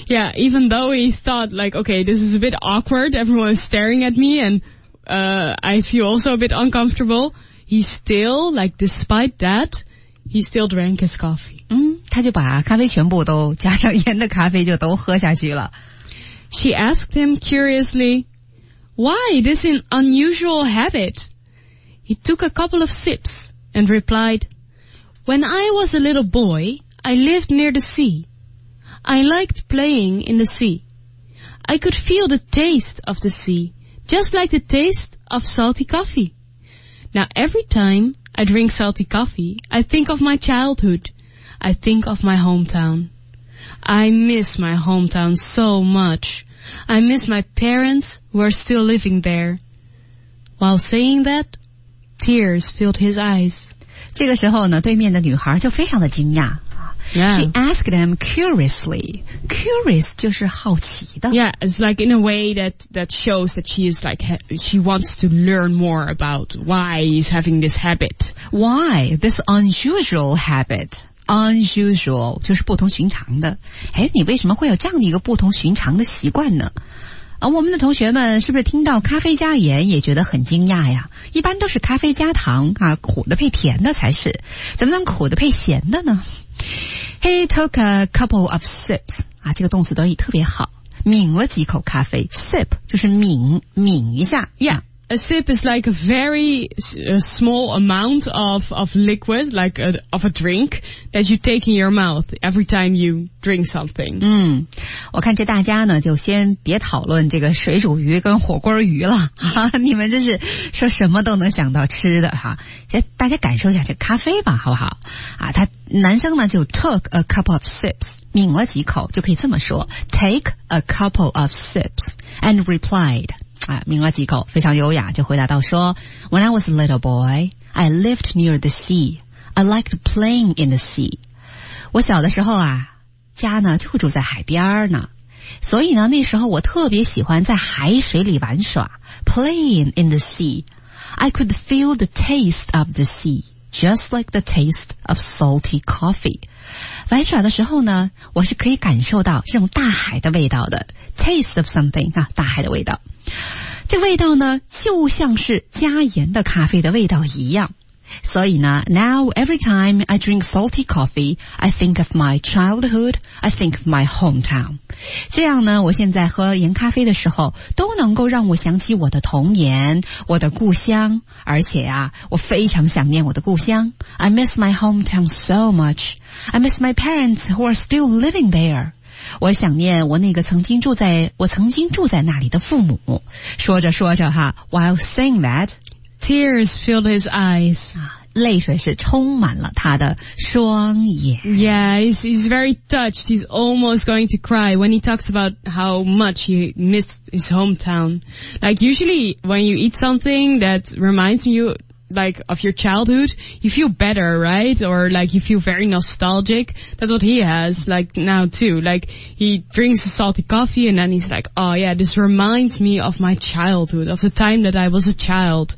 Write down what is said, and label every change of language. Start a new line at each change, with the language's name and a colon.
English: Yeah, even though he thought like okay, this is a bit awkward everyone is staring at me and I feel also a bit uncomfortableHe still, like, despite that, he still drank his coffee.
Chinese: 他就把咖啡全部都加上盐的咖啡就都喝下去了。
English: She asked him curiously, why this an unusual habit? He took a couple of sips and replied, when I was a little boy, I lived near the sea. I liked playing in the sea. I could feel the taste of the sea, just like the taste of salty coffee. Now, every time I drink salty coffee, I think of my childhood. I think of my hometown. I miss my hometown so much. I miss my parents who are still living there. While saying that, tears filled his eyes.
Chinese: 这个时候呢，对面的女孩就非常的惊讶。
English: Yeah. She asked them curiously. Curious
Chinese: 就是好奇的。
English: Yeah, it's like in a way that shows that she is like, she wants to learn more about why he's having this habit. Why? This unusual habit. Unusual,
Chinese: 就是不同寻常的。诶，你为什么会有这样的一个不同寻常的习惯呢？而我们的同学们是不是听到咖啡加盐也觉得很惊讶呀？一般都是咖啡加糖啊，苦的配甜的才是，怎么能苦的配咸的呢 ？
English: He took a couple of sips
Chinese: 啊，这个动词短语特别好，抿了几口咖啡 ，sip 就是抿一下
English: ，Yeah。 A sip is like a very small amount of liquid, like of a drink that you take in your mouth every time you drink something.
Chinese: 嗯，我看这大家呢就先别讨论这个水煮鱼跟火锅鱼了，哈，你们真是说什么都能想到吃的哈。先大家感受一下这咖啡吧，好不好？啊，他男生呢就
English: took a couple of sips，
Chinese: 抿了几口，就可以这么说 ，
English: take a couple of sips and replied。
Chinese: 啊，抿了几口，非常优雅，就回答到说 ，
English: When I was a little boy, I lived near the sea. I liked playing in the sea.
Chinese: 我小的时候啊，家呢就住在海边呢，所以呢那时候我特别喜欢在海水里玩耍 ，
English: playing in the sea. I could feel the taste of the sea, just like the taste of salty coffee.
Chinese: 玩耍的时候呢，我是可以感受到这种大海的味道的 ，
English: taste of something
Chinese: 啊，大海的味道。这味道呢就像是加盐的咖啡的味道一样。所以呢
English: Now every time I drink salty coffee, I think of my childhood, I think of my hometown.
Chinese: 这样呢我现在喝盐咖啡的时候都能够让我想起我的童年，我的故乡，而且啊我非常想念我的故乡。
English: I miss my hometown so much. I miss my parents who are still living there.
Chinese: 我想念我那个曾经住在那里的父母。说着说着哈 ，
English: while saying that, tears filled his eyes.
Chinese: 泪水是充满了他的双眼。
English: Yeah, he's very touched. He's almost going to cry when he talks about how much he missed his hometown. Like usually, when you eat something that reminds you. Like of your childhood, you feel better, right? Or like you feel very nostalgic. That's what he has like now too. Like he drinks a salty coffee and then he's like, oh yeah, this reminds me of my childhood, of the time that I was a child.